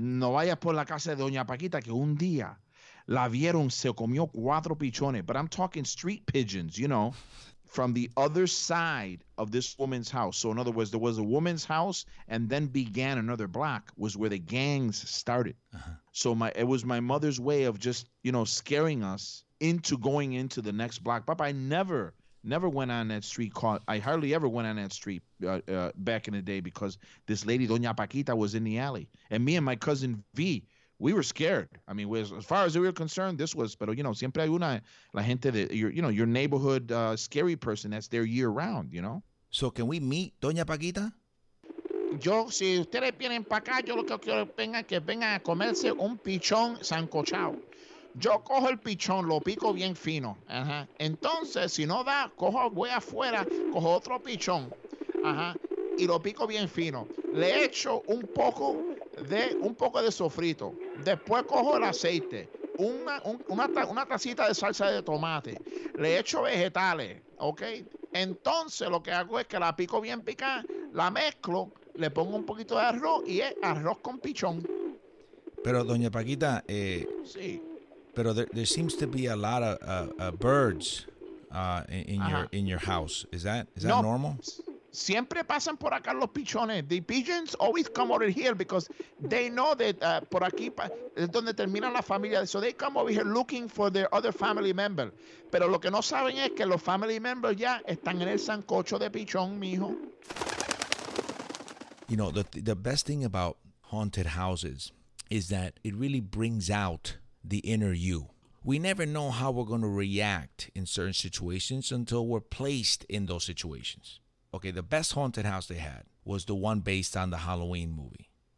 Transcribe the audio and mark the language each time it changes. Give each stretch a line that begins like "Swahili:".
Spanish: No vaya por la casa de Doña Paquita, que un día la vieron, se comió cuatro pichones.
English: But I'm talking street pigeons, you know, from the other side of this woman's house. So in other words, there was a woman's house, and then began another block was where the gangs started. Uh-huh. So it was my mother's way of just, you know, scaring us into going into the next block. But I never went on that street. I hardly ever went on that street back in the day, because this lady, Doña Paquita, was in the alley. And me and my cousin V, we were scared. I mean, as far as we were concerned, this was, pero, you know,
Spanish: siempre hay una, la gente,
English: your neighborhood scary person that's there year round, you know? So can we meet Doña Paquita?
Spanish: Yo, si ustedes vienen para acá, yo lo que quiero es que vengan a comerse un pichón sancochado. Yo cojo el pichón, lo pico bien fino. Ajá. Entonces, si no da, voy afuera, cojo otro pichón. Ajá. Y lo pico bien fino. Le echo un poco de sofrito. Después cojo el aceite. Una tacita de salsa de tomate. Le echo vegetales. ¿Ok? Entonces lo que hago es que la pico bien picada. La mezclo. Le pongo un poquito de arroz. Y es arroz con pichón. Pero, Doña Paquita. Sí.
English: Pero there seems to be a lot of birds in your house. Is that no. Normal?
Spanish: Siempre pasan por acá los pichones.
English: The pigeons always come over here because they know that
Spanish: por aquí es donde termina la familia.
English: So they come over here looking for their other family member.
Spanish: Pero lo que no saben es que los
English: family members
Spanish: ya están en el sancocho de pichón, mijo.
English: You know, the best thing about haunted houses is that it really brings out the inner you. We never know how we're going to react in certain situations until we're placed in those situations. Okay, the best haunted house they had was the one based on the Halloween movie.